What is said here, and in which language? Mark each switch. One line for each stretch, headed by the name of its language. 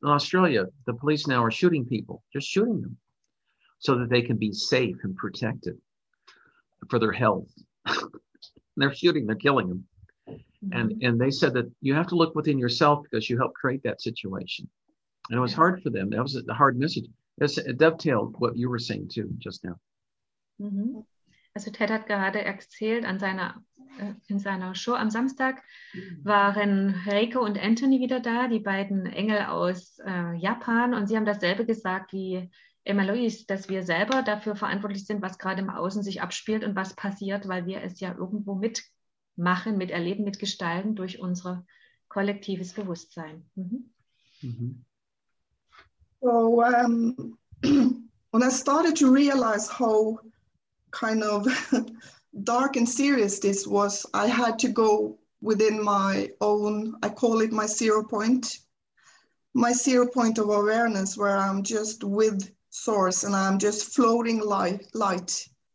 English: In Australia, the police now are shooting people, just shooting them, so that they can be safe and protected for their health. They're shooting, they're killing them. Mm-hmm. And they said that you have to look within yourself because you help create that situation. And it was hard for them. That was a hard message. Das dovetailed what you were saying too just now. Mm-hmm.
German: Also Ted hat gerade erzählt, in seiner Show am Samstag waren Reiko und Anthony wieder da, die beiden Engel aus Japan, und sie haben dasselbe gesagt wie Emma-Louise, dass wir selber dafür verantwortlich sind, was gerade im Außen sich abspielt und was passiert, weil wir es ja irgendwo mitmachen, miterleben, mitgestalten durch unser kollektives Bewusstsein. Mm-hmm. Mm-hmm.
English: So, when I started to realize how kind of dark and serious this was, I had to go within my own, I call it my zero point of awareness, where I'm just with source and I'm just floating light.